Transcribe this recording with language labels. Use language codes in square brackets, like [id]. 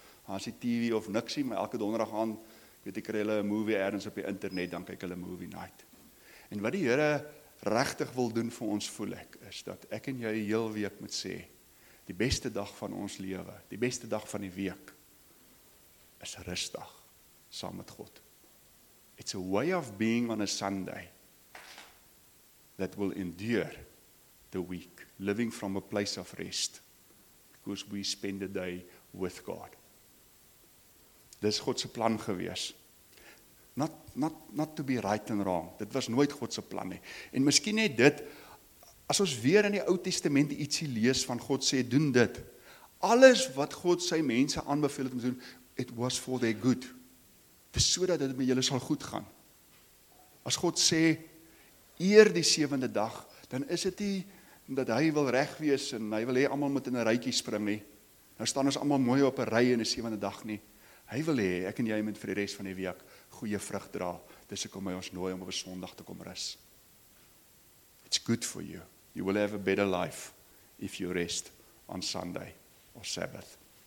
[af] As die TV of niksie, maar elke donderdag aand, weet ek, kry hulle een movie ergens op die internet, dan kyk hulle movie night. En wat die Here regtig wil doen vir ons voel ek, is dat ek en jy heel week moet sê, die beste dag van ons leven, die beste dag van die week, is rustig, saam met God. [en] It's a way of being on a Sunday that will endure the week, living from a place of rest, because we spend the day with God. [af] Dis Godse plan gewees. [en] Not to be right and wrong. [af] Dit was nooit Godse plan nie. En miskien net dit, as ons weer in die Ou Testament ietsie lees van God sê, doen dit. Alles wat God sy mense aanbeveel het om te doen, [en] it was for their good. [af] Dis so dat dit met julle sal goed gaan. As God sê, eer die sewende dag, dan is dit nie dat hy wil reg wees en hy wil hê almal moet in 'n rytjie spring nie. Nou staan ons almal mooi op 'n ry in die sewende dag nie. Hy wil hê ek en jy moet vir die res van die week goeie vrug dra. Dis hoekom hy ons nooi om op 'n Sondag te kom rus. [en] It's good for you. You will have a better life if you rest on Sunday or Sabbath.